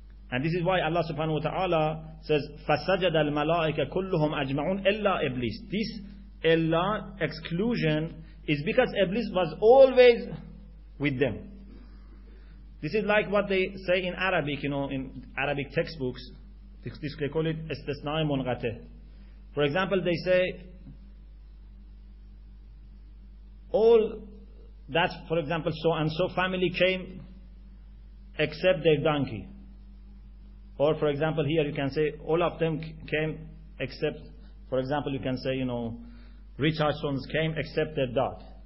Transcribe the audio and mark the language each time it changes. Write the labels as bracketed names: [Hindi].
[English] And this is why Allah subhanahu wa ta'ala says, [Arabic] فَسَجَدَ الْمَلَائِكَ كُلُّهُمْ أَجْمَعُونَ إِلَّا إِبْلِيسِ. [English] This Allah exclusion is because Iblis was always with them. This is like what they say in Arabic, you know, in Arabic textbooks. They call it استثناء منقطع. For example, they say, all that, for example, so and so family came except their donkey. Or, for example, here you can say, all of them came except, for example, you can say, you know, Richardson's came except their dog.